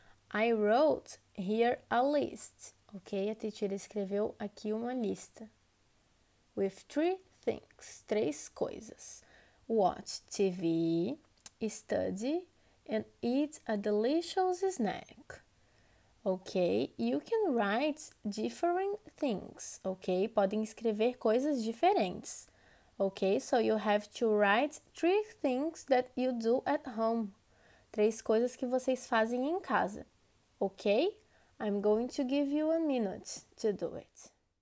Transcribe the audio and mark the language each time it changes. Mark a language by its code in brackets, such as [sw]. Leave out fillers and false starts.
[en] I wrote here a list, okay? [pt] A teacher escreveu aqui uma lista. [en] With three things, [pt] três coisas. [en] Watch TV, study, and eat a delicious snack. Okay, you can write different things, okay? [pt] Podem escrever coisas diferentes, okay? [en] So, you have to write three things that you do at home. [pt] Três coisas que vocês fazem em casa, okay? [en] I'm going to give you a minute to do it.